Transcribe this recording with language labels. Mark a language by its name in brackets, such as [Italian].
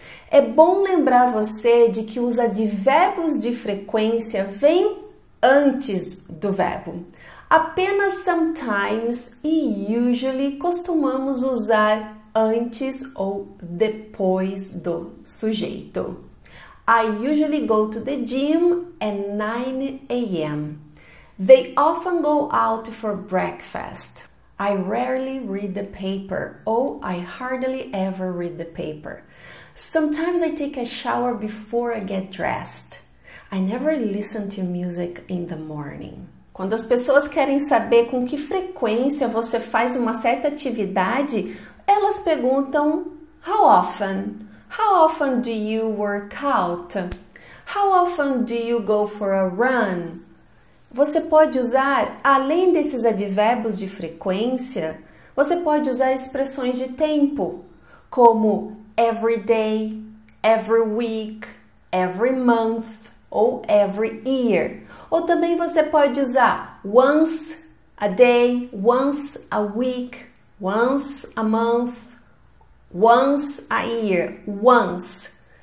[Portuguese] É bom lembrar você de que os advérbios de frequência vêm antes do verbo. Apenas sometimes e usually costumamos usar antes ou depois do sujeito. [English] I usually go to the gym at 9 a.m. They often go out for breakfast. I rarely read the paper. Oh, I hardly ever read the paper. Sometimes I take a shower before I get dressed. I never listen to music in the morning. [Portuguese] Quando as pessoas querem saber com que frequência você faz uma certa atividade, elas perguntam: [English] how often? How often do you work out? How often do you go for a run? [Portuguese] Você pode usar, além desses advérbios de frequência, você pode usar expressões de tempo, como [English] every day, every week, every month [Portuguese] ou [English] every year. [Portuguese] Ou também você pode usar [English] once a day, once a week, once a month, once a year, once.